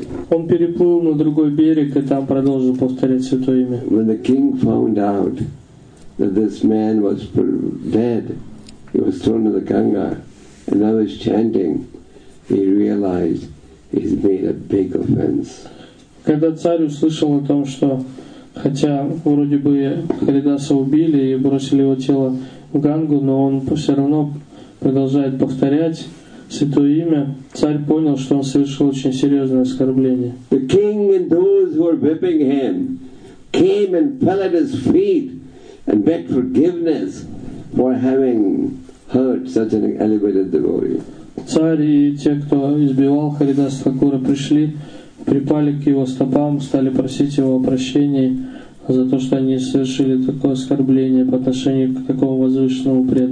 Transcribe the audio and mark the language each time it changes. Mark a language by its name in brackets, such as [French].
[Russian] Он переплыл на другой берег и там продолжил повторять Святое имя. [English] When the king found out that this man was dead, he was thrown to the Ganga, and I was chanting, he realized he's made a big offense. [Russian] Когда царь услышал о том, что хотя вроде бы Харидаса убили и бросили его тело в Гангу, но он все равно продолжает повторять Святое имя. Царь понял, что он совершил очень серьезное оскорбление. [English] The king and those who were whipping him came and fell at his feet and begged forgiveness for having hurt such an elevated devotee. [Russian] Царь и те, кто избивал Харидаса Такура, пришли, припали к его стопам, стали просить его о прощении за то, что они совершили такое оскорбление по отношению к такому возвышенному